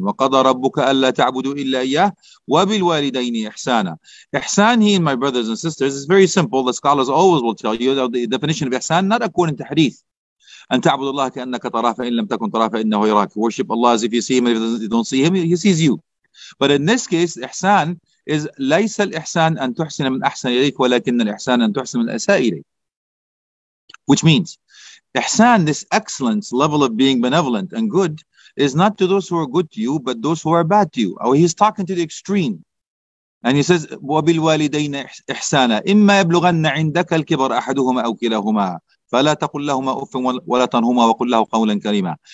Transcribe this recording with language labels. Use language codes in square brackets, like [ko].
[ar] وَقَضَى رَبُّكَ أَلَّا تَعْبُدُوا إِلَّا إِيَّهُ وَبِالْوَالِدَيْنِ إِحْسَانًا. [en] Ihsan, he and my brothers and sisters, is very simple. The scholars always will tell you the definition of ihsan, not according to hadith. [ar] أَن تَعْبُدُ اللَّهَ كَأَنَّكَ تَرَاهُ فَإِن لَمْ تَكُنْ تَرَاهُ فَإِنَّهُ يَرَاكَ. [en] Worship Allah as if you see him, and if you don't see him, he sees you. But in this case, ihsan is [ar] ليس الإحسان أن تحسن من أحسن إليك ولكن الإحسان أن تحسن من أساء إليك. [en] Which means, إحسان, this excellence, level of being benevolent and good, is not to those who are good to you, but those who are bad to you. Or he's talking to the extreme. And he says, [ar] وَبِالْوَالِدَيْنَ إِحْسَانًا إِمَّا يَبْلُغَنَّ عِنْدَكَ الْكِبَرَ أَحَدُهُمَا أَوْ كِلَاهُمَا فَلَا تَقُلْ لَهُمَا أُفٍّ وَلَا تَنْهُمَا وَقُلْ لَهُ قَوْلًا كَرِيمًا.